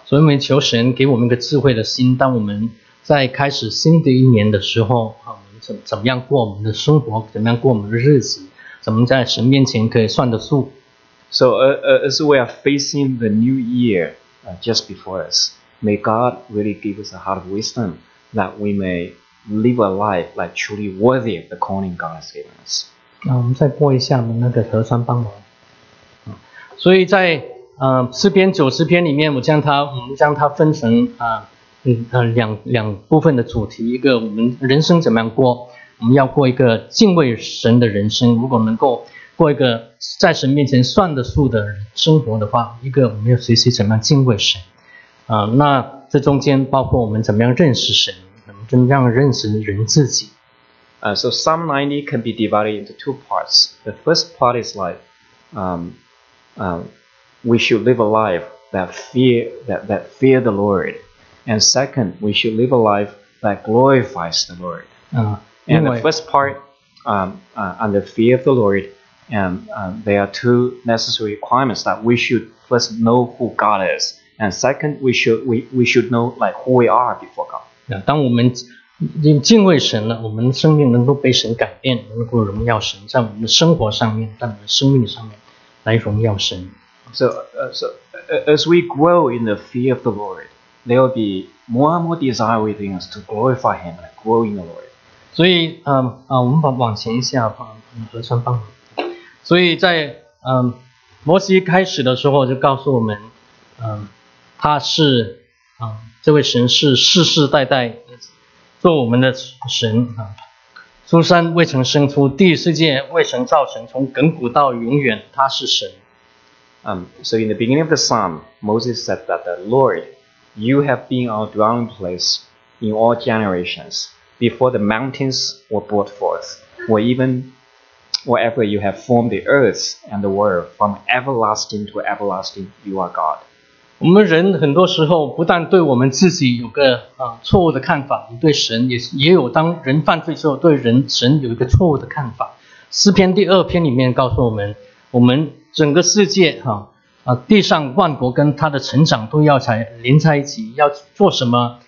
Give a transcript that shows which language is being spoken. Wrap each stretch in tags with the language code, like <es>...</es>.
<zh>所以我们求神给我们一个智慧的心，当我们在开始新的一年的时候，怎么样过我们的生活，怎么样过我们的日子，怎么在神面前可以算得数。So</zh> <en>as we are facing the new year just before us, may God really give us a heart of wisdom that we may live a life like truly worthy of the calling God has given us.</en> <zh>那我们再过一下那个核酸帮忙。所以在诗篇90篇里面，我将它分成两部分的主题。一个，我们人生怎么样过？我们要过一个敬畏神的人生。如果能够过一个在神面前算得数的生活的话，一个我们要学习怎么样敬畏神。那这中间包括我们怎么样认识神，怎么样认识人自己。</zh> <en>So Psalm 90 can be divided into two parts. The first part is like, we should live a life that fear the Lord. And second, we should live a life that glorifies the Lord. And the first part, under fear of the Lord, there are two necessary requirements that we should first know who God is. And second, we should know like who we are before God.</en> <zh>当我们敬畏神了，我们的生命能够被神改变，能够荣耀神，在我们的生活上面，在我们的生命上面来荣耀神。</zh> <en>So as we grow in the fear of the Lord, there will be more and more desire within us to glorify Him and grow in the Lord.</en> <zh>所以，我们往前一下，合算棒。所以在摩西开始的时候就告诉我们，他是这位神是世世代代做我们的神啊，出山未曾生出，第四界未曾造成，从亘古到永远，他是神。</zh> <en>So in the beginning of the psalm, Moses said that the Lord, you have been our dwelling place in all generations, before the mountains were brought forth, or even wherever you have formed the earth and the world, from everlasting to everlasting, you are God.</en> <zh>我们人很多时候不但对我们自己有个错误的看法，对神也有当人犯罪之后对人神有一个错误的看法。诗篇第二篇里面告诉我们，我们整个世界地上万国跟他的成长都要连在一起，要做什么？</zh>